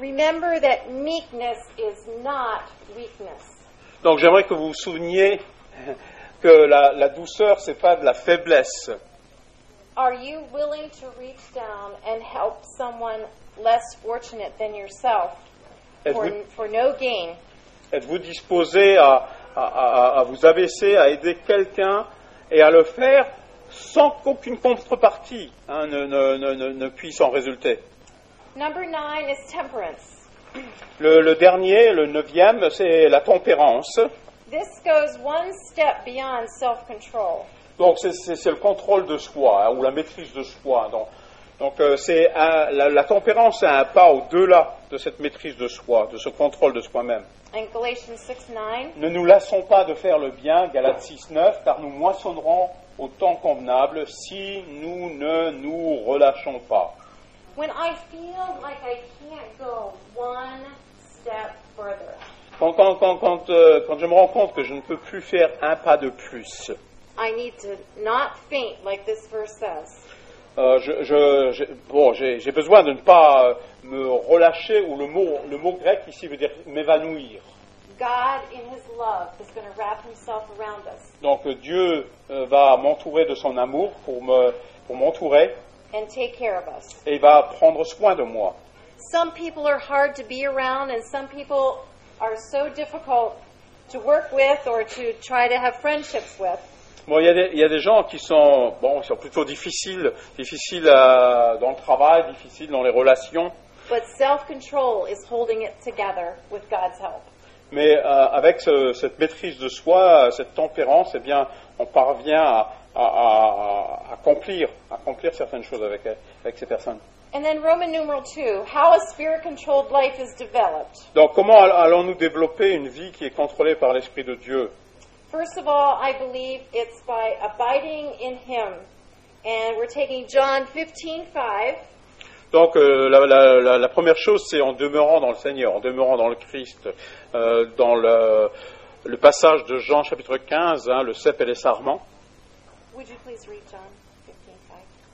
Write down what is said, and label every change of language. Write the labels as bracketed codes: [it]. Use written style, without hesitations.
[en] Remember that meekness is not weakness. [fr] Donc j'aimerais que vous vous souveniez que la douceur, ce n'est pas de la faiblesse. [en] Are you willing to reach down and help someone less fortunate than yourself for no gain? [fr] Êtes-vous disposé à vous abaisser, à aider quelqu'un et à le faire sans qu'aucune contrepartie, hein, ne puisse en résulter? [en] Number nine is temperance. [fr] Le dernier, le neuvième, c'est la tempérance. [en] This goes one step beyond self-control. [fr] Donc, c'est le contrôle de soi, hein, ou la maîtrise de soi. Donc c'est la tempérance est un pas au-delà de cette maîtrise de soi, de ce contrôle de soi-même. [en] And Galatians 6, 9. [fr] Ne nous lassons pas de faire le bien, Galates 6, 9, car nous moissonnerons au temps convenable si nous ne nous relâchons pas. [en] When I feel like I can't go one step further. [fr] Quand je me rends compte que je ne peux plus faire un pas de plus, [en] I need to not faint like this verse says. [fr] J'ai besoin de ne pas me relâcher, ou le mot grec ici veut dire m'évanouir. [en] God in his love is going to wrap himself around us. [fr] Donc Dieu va m'entourer de son amour pour m'entourer. [en] And take care of us. [fr] Et va prendre soin de moi. [en] Some people are hard to be around and some people are so difficult to work with or to try to have friendships with. [fr] Bon, il y a des gens qui sont, bon, ils sont plutôt difficiles dans le travail, difficiles dans les relations. [en] But self-control is holding it together with God's help. [fr] Mais avec cette maîtrise de soi, cette tempérance, eh bien, on parvient à accomplir certaines choses avec ces personnes. [en] And then Roman numeral 2, how a spirit-controlled life is developed. [fr] Donc, comment allons-nous développer une vie qui est contrôlée par l'Esprit de Dieu? [en] First of all, I believe it's by abiding in Him. And we're taking John 15, 5. [fr] Donc la première chose, c'est en demeurant dans le Seigneur, en demeurant dans le Christ, dans le passage de Jean chapitre 15, hein, le cep et les sarments. [en] Would you please read John 15:5?